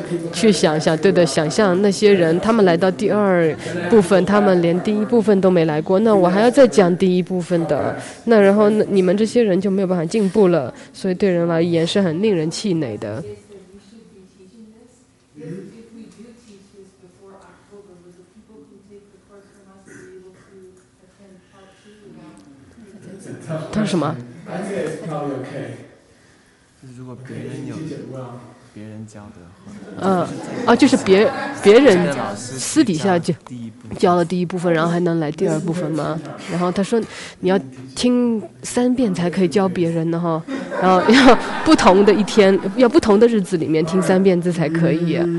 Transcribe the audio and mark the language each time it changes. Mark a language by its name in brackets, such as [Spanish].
[Chinese] 去想想，对的，想象那些人，他们来到第二部分，他们连第一部分都没来过，那我还要再讲第一部分的，那然后你们这些人就没有办法进步了，所以对人而言是很令人气馁的。 [English] If we do teach this before October, will the people who take the course from us be able to attend part two? That's a tough question. I think it's probably okay. [Chinese] 如果别人有别人教的话、就是 别人私底下教了第一部分，然后还能来第二部分吗？然后他说你要听三遍才可以教别人的，然后要不同的一天，要不同的日子里面听三遍才可以。